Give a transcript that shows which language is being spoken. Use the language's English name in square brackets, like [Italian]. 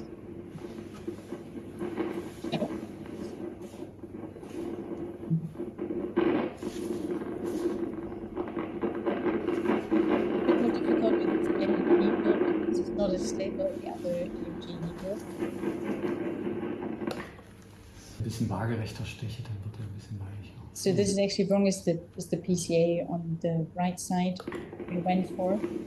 [English] It's difficult with this EMG needle because it's not as stable as the other EMG needle. [German] Bisschen waagerechter Stiche, dann wird er ein bisschen weicher. [English] So this is actually wrong, is the PCA on the right side we went for.